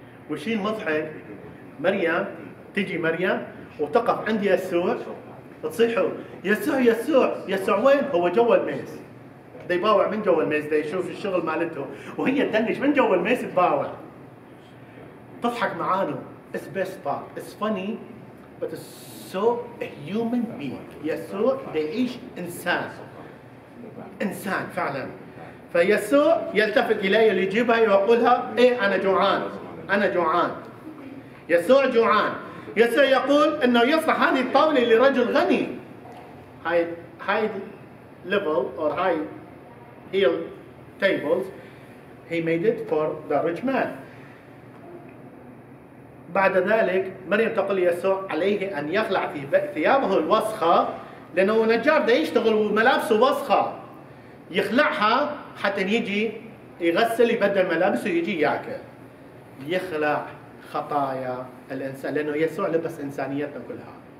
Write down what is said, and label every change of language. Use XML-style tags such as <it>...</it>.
<ar>وشي المضحك، مريم تجي مريم وتقف عند يسوع تصيحوا يسوع يسوع يسوع وين؟ هو جوا الميز دي باوع من جوا الميز دي يشوف الشغل مالته، وهي تدنش من جوا الميز تباوع تضحك معانه.</ar> <en>It's best part. It's funny, but it's so a human being.</en> <ar>يسوع يعيش إنسان. إنسان فعلاً. فيسوع يلتفت إلي ليجيبها ويقولها إيه أنا جوعان. أنا جوعان. يسوع جوعان. يسوع يقول إنه يصنع هذه الطاولة لرجل غني.</ar> <en>High level or high heel tables. He made it for the rich man.</en> <ar>بعد ذلك مريم تقول يسوع عليه أن يخلع ثيابه الوسخة، لأنه نجار ده يشتغل وملابسه وسخة، يخلعها حتى يجي يغسل يبدل ملابسه ويجي يأكل، يخلع خطايا الإنسان، لأنه يسوع لبس إنسانيتنا كلها.</ar>